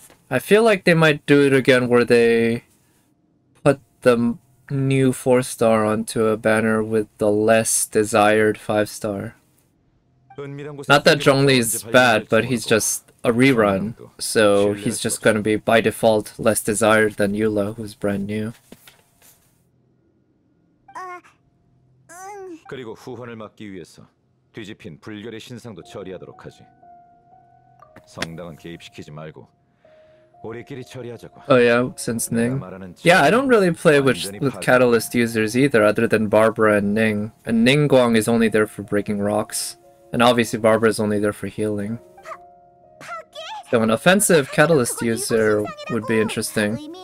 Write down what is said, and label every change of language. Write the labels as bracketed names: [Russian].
[English] I feel like they might do it again where they put the new 4-star onto a banner with the less desired 5-star. Not that Zhongli is bad, but he's just a rerun, so he's just gonna be by default less desired than Yula, who's brand new. [Korean] 그리고 후환을 막기 위해서 뒤집힌 불결의 신상도 처리하도록 하지. 성당은 개입시키지 말고 우리끼리 처리하자고. [English] Oh yeah, since Ning. Yeah, I don't really play with catalyst users either, other than Barbara and Ning. And Ning Guang is only there for breaking rocks, and obviously Barbara is only there for healing. So an offensive catalyst user would be interesting.